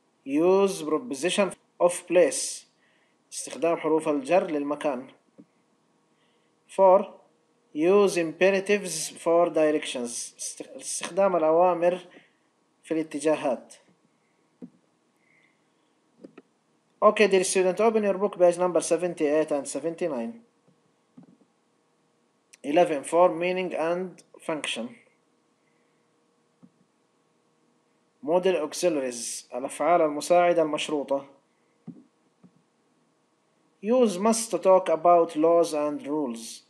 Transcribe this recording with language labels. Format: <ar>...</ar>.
<en>Use preposition of place.</en> <ar>استخدام حروف الجر للمكان.</ar> <en>4. Use imperatives for directions.</en> <ar>استخدام الأوامر في الاتجاهات.</ar> <en>Okay, dear student, open your book, page number 78 and 79. 11 for meaning and function. Model auxiliaries,</en> <ar>الأفعال المساعدة المشروطة.</ar> <en>Use must to talk about laws and rules.</en>